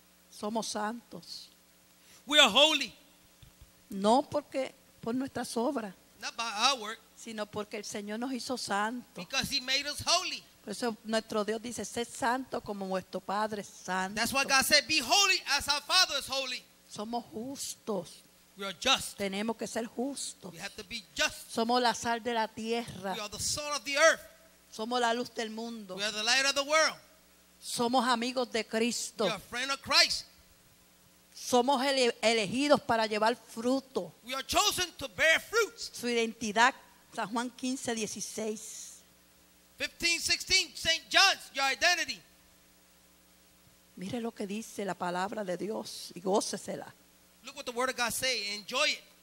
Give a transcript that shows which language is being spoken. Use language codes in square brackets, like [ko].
[es] Somos santos. [en] We are holy. [es] No porque por nuestras obras. [en] Not by our work. [es] Sino porque el Señor nos hizo santos. [en] Because he made us holy. [es] Por eso nuestro Dios dice, sé santo como vuestro Padre es santo. [en] That's why God said, be holy as our Father is holy. [es] Somos justos. [en] We are just. [es] Tenemos que ser justos. [en] We have to be just. [es] Somos la sal de la tierra. [en] We are the salt of the earth. [es] Somos la luz del mundo. [en] We are the light of the world. [es] Somos amigos de Cristo. [en] We are friend of Christ. [es] Somos elegidos para llevar fruto. [en] We are chosen to bear fruits. [es] Su identidad, San Juan 15:16. [en] 15:16, St. John's, your identity. [es] Mire lo que dice la palabra de Dios y gócesela. [en] Look what the word of God say, enjoy it.